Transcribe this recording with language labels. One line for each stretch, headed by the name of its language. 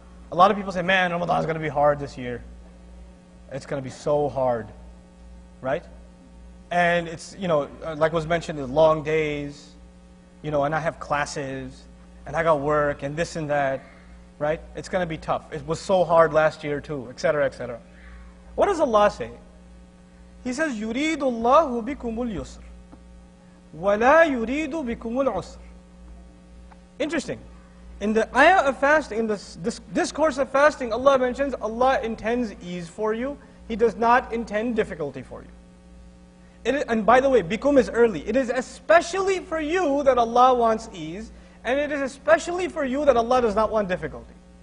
English: A lot of people say, man, Ramadan is going to be hard this year. It's going to be so hard. Right? And it's, you know, like was mentioned, the long days, you know, and I have classes, and I got work, and this and that. Right? It's going to be tough. It was so hard last year too, etc., etc. What does Allah say? He says,
Arabic: يُرِيدُ اللَّهُ بِكُمُ الْيُسْرِ وَلَا يُرِيدُ بِكُمُ الْعُسْرِ.
English: Interesting. In the ayah of fasting, in this discourse of fasting, Allah mentions Allah intends ease for you. He does not intend difficulty for you. And by the way, bikum is early. It is especially for you that Allah wants ease, and it is especially for you that Allah does not want difficulty.